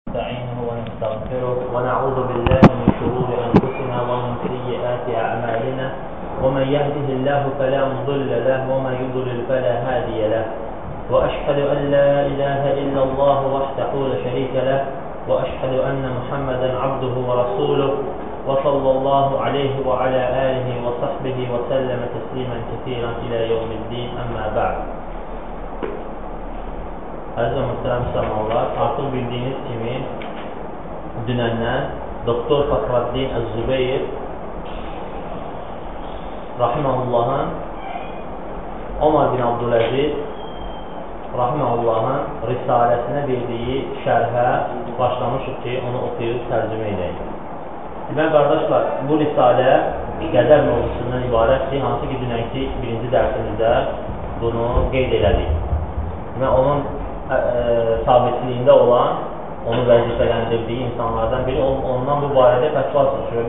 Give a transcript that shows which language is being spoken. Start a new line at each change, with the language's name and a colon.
Arabic: نستغفرك ونعوذ بالله من شرور أنفسنا ومن سيئات أعمالنا، ومن يهده الله فلا مضل له ومن يضلل فلا هادي له، وأشهد أن لا إله إلا الله وحده لا شريك له، وأشهد أن محمدا عبده ورسوله، وصلى الله عليه وعلى آله وصحبه وسلم تسليما كثيرا إلى يوم الدين.
Turkish: أما بعد، Aziz ve muhterem Müslümanlar, artık bildiğiniz gibi dünenden Doktor Fakhreddin Az-Zübeyir Rahimahullah'ın, Ömer bin Abdülaziz Rahimahullah'ın risalesine bildiği şerhe başlamışız ki onu okuyup tercüme edeyim.
Azerbaijani: Ben kardeşler, bu risale Qədər mevzusundan ibaret ki, hansı ki dünenki birinci dersimizdə bunu qeyd elədik. Ve onun sabitliyində olan, onu vəzifələndirdiyi insanlardan biri, ondan bu barədə fətva soruşur.